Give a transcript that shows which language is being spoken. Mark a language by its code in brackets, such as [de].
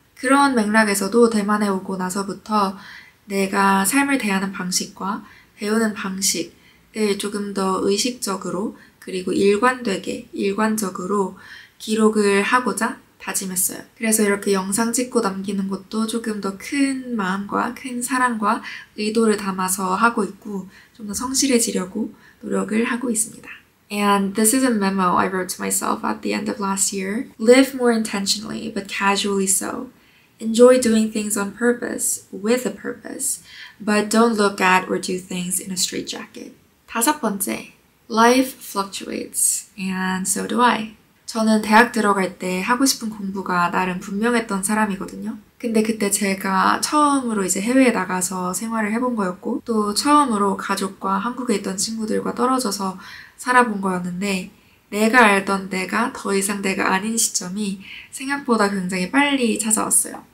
[ko] 그런 맥락에서도 대만에 오고 나서부터 내가 삶을 대하는 방식과 배우는 방식을 조금 더 의식적으로 그리고 일관되게 일관적으로 기록을 하고자 다짐했어요. 그래서 이렇게 영상 찍고 남기는 것도 조금 더 큰 마음과 큰 사랑과 의도를 담아서 하고 있고 좀 더 성실해지려고 노력을 하고 있습니다. [en] And this is a memo I wrote to myself at the end of last year. Live more intentionally, but casually so. Enjoy doing things on purpose, with a purpose, but don't look at or do things in a straitjacket. [ko] 다섯 번째, [en] life fluctuates, and so do I. [ko] 저는 대학 들어갈 때 하고 싶은 공부가 나름 분명했던 사람이거든요. 근데 그때 제가 처음으로 이제 해외에 나가서 생활을 해본 거였고 또 처음으로 가족과 한국에 있던 친구들과 떨어져서 살아본 거였는데 내가 알던 내가 더 이상 내가 아닌 시점이 생각보다 굉장히 빨리 찾아왔어요.